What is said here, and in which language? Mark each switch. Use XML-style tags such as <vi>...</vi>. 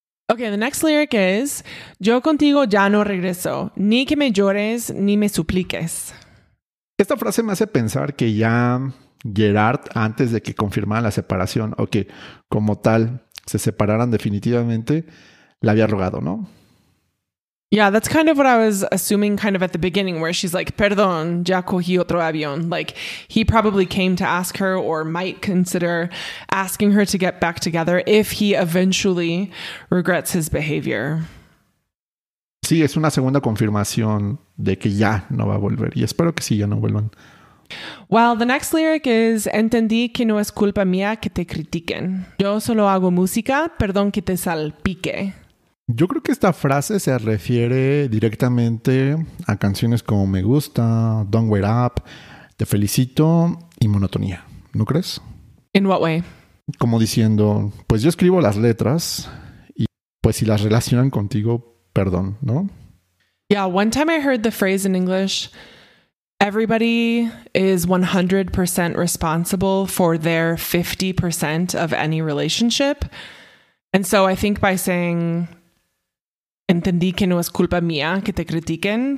<en>Okay, the next lyric is,</en> <es>yo contigo ya no regreso, ni que me llores, ni me supliques. Esta frase me hace pensar que ya Gerard, antes de que confirmara la separación, o que como tal se separaran definitivamente, le había rogado, ¿no?</es> <en>Yeah, that's kind of what I was assuming kind of at the beginning, where she's like,</en> <es>perdón, ya cogí otro avión.</es> <en>Like, he probably came to ask her or might consider asking her to get back together if he eventually regrets his behavior.</en> <es>Sí, es una segunda confirmación de que ya no va a volver. Y espero que sí, ya no vuelvan.</es> <en>Well, the next lyric is,</en> <es>entendí que no es culpa mía que te critiquen. Yo solo hago música, perdón que te salpique. Yo creo que esta frase se refiere directamente a canciones como Me Gusta, Don't Wait Up, Te Felicito y Monotonía. ¿No crees? ¿En qué way? Como diciendo, pues yo escribo las letras y pues si las relacionan contigo, perdón, ¿no?</es> <en>Yeah, one time I heard the phrase in English, everybody is 100% responsible for their 50% of any relationship. And so I think by saying,</en> <es>entendí que no es culpa mía que te critiquen.</es>